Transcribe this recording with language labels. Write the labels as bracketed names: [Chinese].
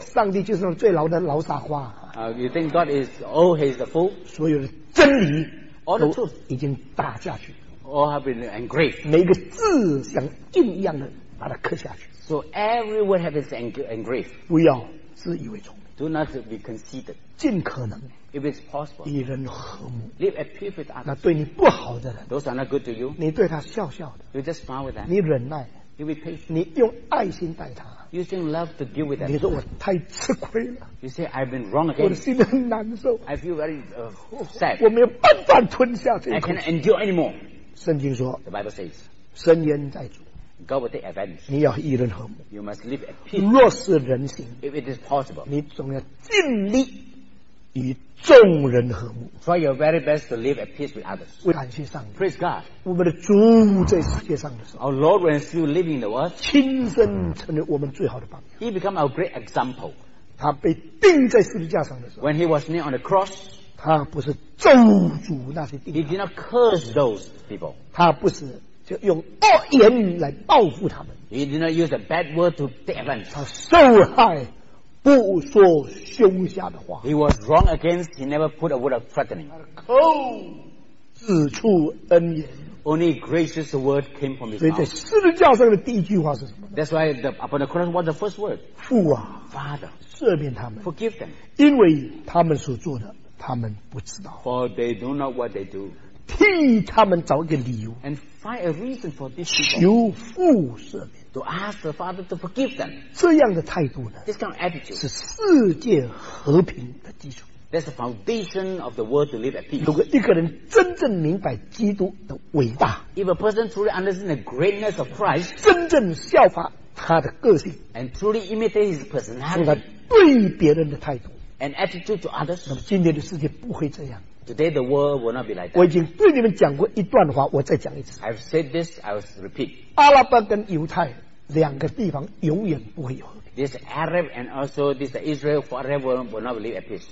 [Chinese] 上帝就是最老的老傻瓜、 [English] You think God is old, he is the fool? [Chinese] 所有的真理 [English] All the truth [Chinese] 已经打下去 [English] All have been engraved [Chinese] 每个字像印一样的把它刻下去 [English] So every word have been engraved [Chinese] 不要自以为聪明 [English] Do not be conceited [Chinese] 尽可能 [English] If it's possible, [Chinese] 与人和睦 [English] live at peace with others, [Chinese] 那对你不好的人 [English] those are not good to you, [Chinese] 你对他笑笑的 [English] you just smile with them, [Chinese] 你忍耐 [English] you be patient, [Chinese] 你用爱心待他 [English] using love to deal with them, [Chinese] 你说我太吃亏了 [English] you say I've been wrong again, [Chinese] 我的心很难受 [English] I feel very sad, [Chinese] 我没有办法吞下这一口 [English] I can't endure anymore, [Chinese] 圣经说 [English] the Bible says, [Chinese] 深渊在主 [English] God will take advantage, [Chinese] 你要与人和睦 [English] you must live at peace, [Chinese] 若是人心 [English] if it is possible, [Chinese] 你总要尽力与众人和睦 [English] Try your very best to live at peace with others [Chinese] 感谢上帝 [English] Praise God [Chinese] 我们的主在世界上的时候 [English] Our Lord when still living in the world [Chinese] 亲身成为我们最好的榜样 [English] He become our great example [Chinese] 他被钉在十字架上的时候 [English] When he was nailed on the cross [Chinese] 他不是咒诅那些钉 [English] He did not curse those people [Chinese] 他不是就用恶言来报复他们 [English] He did not use a bad word to take advantage [Chinese] 他受害不说凶下的话。 [English] He was wrong against. He never put a word of threatening. [Chinese] 口自出恩言。 [English] Only gracious word came from his [Chinese] mouth. 所以在十字架上的第一句话是什么 [English] ？That's why the upon the cross, what the first word? [Chinese] 父啊 [English] ，Father， [Chinese] 赦免他们 [English] ，Forgive them， [Chinese] 因为他们所做的，他们不知道。 [English] For they don't know what they do. [Chinese] 替他们找一个理由 [English] ，and find a reason for this. [Chinese] 求父赦免。 [English] To ask the Father to forgive them. [Chinese] 这样的态度呢 [English] This kind of attitude [Chinese] 是世界和平的基础 [English] That's the foundation of the world to live at peace. [Chinese] 如果一个人真正明白基督的伟大 [English] If a person truly understands the greatness of Christ [Chinese] 真正效法他的个性 [English] And truly imitate his personality [Chinese] 是对别人的态度 [English] And attitude to others [Chinese] 那么今天的世界不会这样 [English] Today the world will not be like that. [Chinese] 我已经对你们讲过一段话我再讲一次 [English] I've said this, I'll repeat. [Chinese] 阿拉伯跟犹太两个地方永远不会有和平。 [English] This Arab and also this Israel forever will not live at peace.